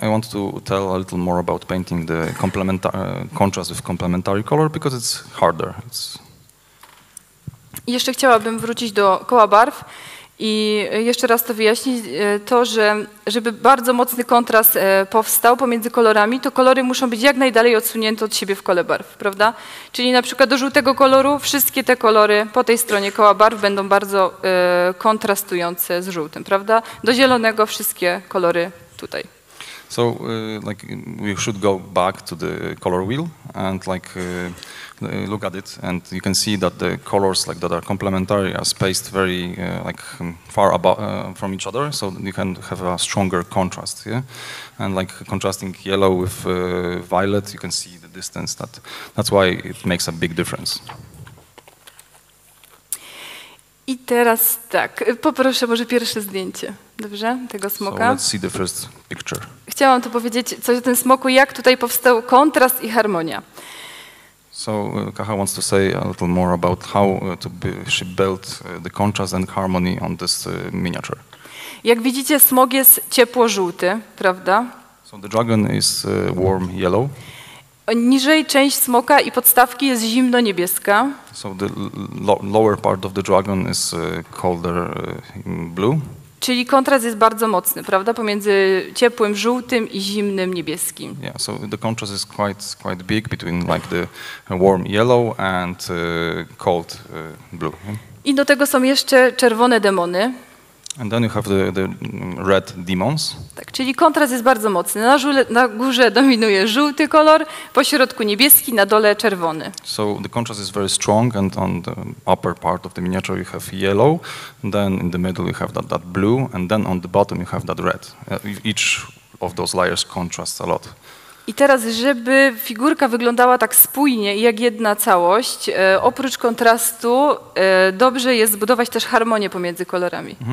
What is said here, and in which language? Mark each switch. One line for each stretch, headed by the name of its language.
English: I want to tell a little more about painting the contrast with complementary color because it's harder.
Polish: Jeszcze chciałabym wrócić do koła barw. I jeszcze raz to wyjaśnić, to, że żeby bardzo mocny kontrast powstał pomiędzy kolorami, to kolory muszą być jak najdalej odsunięte od siebie w kole barw, prawda? Czyli na przykład do żółtego koloru wszystkie te kolory po tej stronie koła barw będą bardzo kontrastujące z żółtym, prawda? Do zielonego wszystkie kolory tutaj.
English: So like we should go back to the color wheel and like look at it and you can see that the colors like that are complementary are spaced very far above from each other, so you can have a stronger contrast, yeah, and like contrasting yellow with violet, you can see the distance, that's why it makes a big difference.
Polish: I teraz tak, poproszę może pierwsze zdjęcie, dobrze, tego smoka.
English: So let's see the first picture.
Polish: Chciałam to powiedzieć, coś o tym smoku, jak tutaj powstał kontrast i harmonia.
English: So Kaha wants to say a little more about how she built the contrast and harmony on this miniature.
Polish: Jak widzicie, smok jest ciepło-żółty, prawda?
English: So the dragon is warm yellow.
Polish: Niżej część smoka i podstawki jest zimno-niebieska.
English: So the lower part of the dragon is colder blue.
Polish: Czyli kontrast jest bardzo mocny, prawda? Pomiędzy ciepłym żółtym i zimnym niebieskim.
English: Yeah, so the contrast is quite big between like the warm yellow and cold blue.
Polish: I do tego są jeszcze czerwone demony.
English: And then you have the red demons.
Polish: Tak, czyli kontrast jest bardzo mocny. Na górze dominuje żółty kolor, po środku niebieski, na dole czerwony.
English: So the contrast is very strong and on the upper part of the miniature you have yellow, then in the middle you have that blue and then on the bottom you have that red. Each of those layers contrasts a lot.
Polish: I teraz, żeby figurka wyglądała tak spójnie, jak jedna całość, oprócz kontrastu, dobrze jest zbudować też harmonię pomiędzy kolorami.